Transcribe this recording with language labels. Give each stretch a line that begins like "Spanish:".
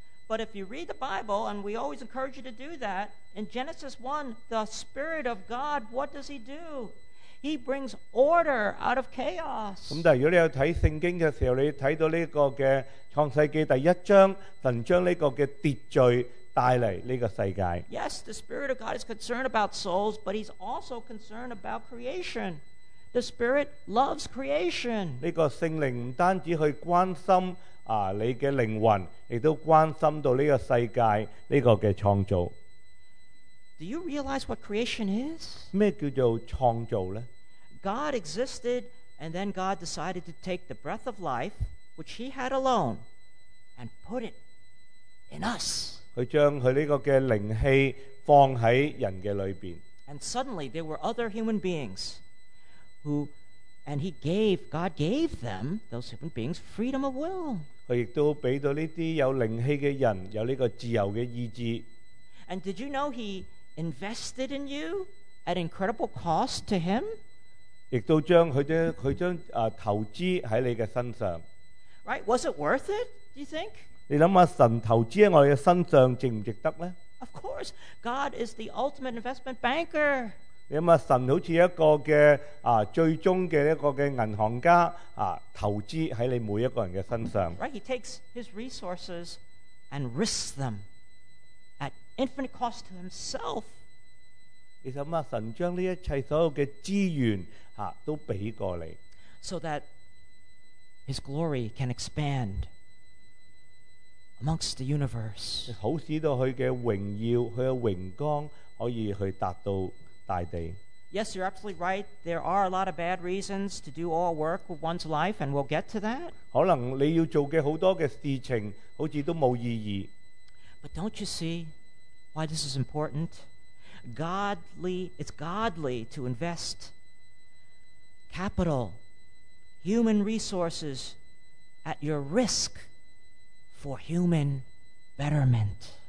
English: But if you read the Bible, and we always encourage you to do that, in Genesis 1, the Spirit of God, what does He do? He brings order out of chaos.
Cantonese: 咁但係如果你有睇聖經嘅時候，你睇到呢個嘅。創世記第一章，神將呢個嘅秩序帶嚟呢個世界。
English: Yes, the Spirit of God is concerned about souls, but He's also concerned about creation. The Spirit loves creation.
Cantonese: 呢個聖靈唔單止去關心啊你嘅靈魂，亦都關心到呢個世界呢個嘅創造。
English: Do you realize what creation is?
Cantonese: 咩叫做創造呢
English: ？God existed, and then God decided to take the breath of life. Which he had alone, and put it in us.
Cantonese: 佢将佢呢个嘅灵气放喺人嘅里边。
English: And suddenly there were other human beings, who, and he gave God gave them those human beings freedom of will.
Cantonese: 佢亦都俾到呢啲有灵气嘅人有呢个自由嘅意志。
English: And did you know he invested in you at incredible cost to him?
Cantonese: 亦都将佢将投资喺你嘅身上。
English: Right? Was it worth it? Do you think?
Cantonese: 你谂下神投资喺我嘅身上值唔值得咧？
English: Of course, God is the ultimate investment banker.
Cantonese: 你谂下神好似一个嘅最终嘅一个嘅银行家投资喺你每一个人嘅身上。
English: Right? He takes his resources and risks them at infinite cost to himself.
Cantonese: 你谂下神将呢一切所有嘅资源都俾过你
English: ，so that his glory can expand amongst the universe.
Cantonese: 好使到佢嘅荣耀，佢嘅荣光可以去达到大地。
English: Yes, you're absolutely right. There are a lot of bad reasons to do all work with one's life, and we'll get to that.
Cantonese: 可能你要做嘅好多嘅事情，好似都冇意义。
English: But don't you see why this is important? Godly, it's godly to invest capital, human resources at your risk for human betterment.